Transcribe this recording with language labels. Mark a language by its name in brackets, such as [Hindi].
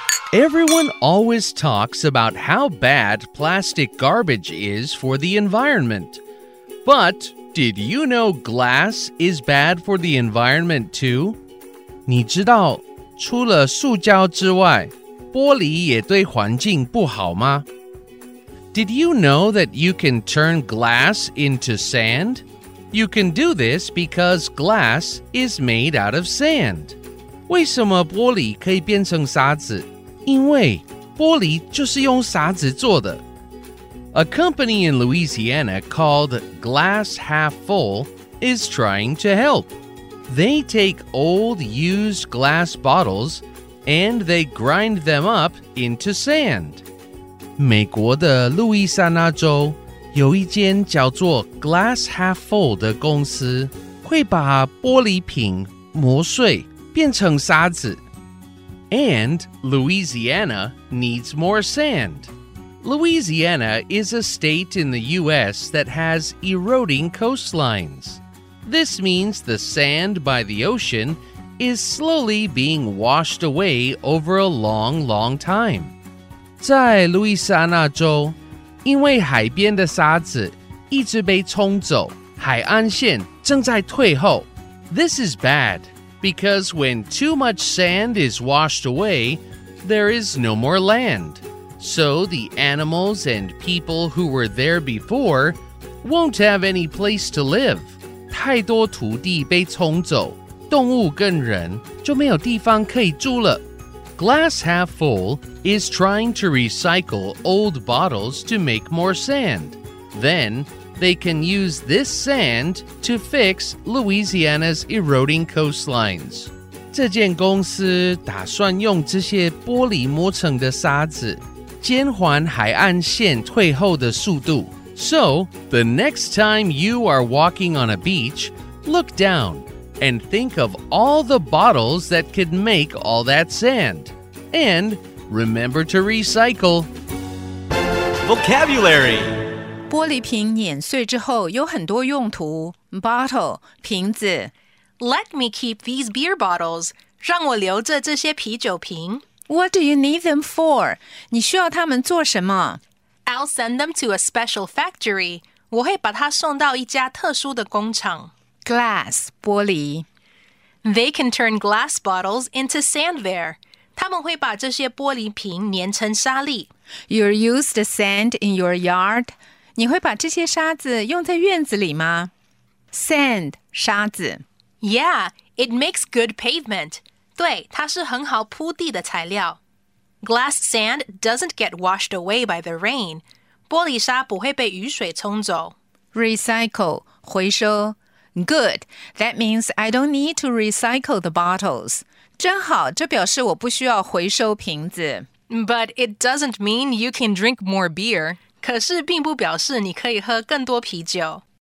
[English] Everyone always talks about how bad plastic garbage is for the environment. But did you know glass is bad for the environment too? [Chinese] 你知道除了塑胶之外玻璃也对环境不好吗? [English] Did you know that you can turn glass into sand? You can do this because glass is made out of sand. [Chinese] 为什么玻璃可以变成沙子?因为玻璃就是用沙子做的。 [English] A company in Louisiana called Glass Half Full is trying to help. They take old used glass bottles and they grind them up into sand. [Chinese] 美国的路易斯安那州有一间叫做 Glass Half Full 的公司会把玻璃瓶磨碎变成沙子。 [English] And Louisiana needs more sand. Louisiana is a state in the U.S. that has eroding coastlines. This means the sand by the ocean is slowly being washed away over a long, long time. [Chinese] 在路易斯安那州，因为海边的沙子一直被冲走，海岸线正在退后。 [English] This is bad. Because when too much sand is washed away, there is no more land. So the animals and people who were there before won't have any place to live. [Chinese] 太多土地被冲走，动物跟人就没有地方可以住了。 [English] Glass Half Full is trying to recycle old bottles to make more sand. Then... They can use this sand to fix Louisiana's eroding coastlines. [Chinese] 这间公司打算用这些玻璃磨成的沙子减缓海岸线退后的速度。 [English] So, the next time you are walking on a beach, look down and think of all the bottles that could make all that sand. And remember to recycle. Vocabulary. [Chinese] 玻璃瓶碾碎之后有很多用途 Bottle, 瓶子 [English] Let me keep these beer bottles [Chinese] 让我留着这些啤酒瓶 [English] What do you need them for? [Chinese] 你需要它们做什么 [English] I'll send them to a special factory [Chinese] 我会把它送到一家特殊的工厂 Glass, 玻璃 [English] They can turn glass bottles into sand there [Chinese] 他们会把这些玻璃瓶碾成沙粒 [English] You'll use the sand in your yard? [Chinese] 你会把这些沙子用在院子里吗? [English] Sand, 沙子。 Yeah, it makes good pavement. [Chinese] 对,它是很好铺地的材料。 [English] Glass sand doesn't get washed away by the rain. [Chinese] 玻璃沙不会被雨水冲走。 [English] Recycle, 回收。 Good, that means I don't need to recycle the bottles. [Chinese] 真好,这表示我不需要回收瓶子。 [English] But it doesn't mean you can drink more beer. [Chinese] 可是并不表示你可以喝更多啤酒。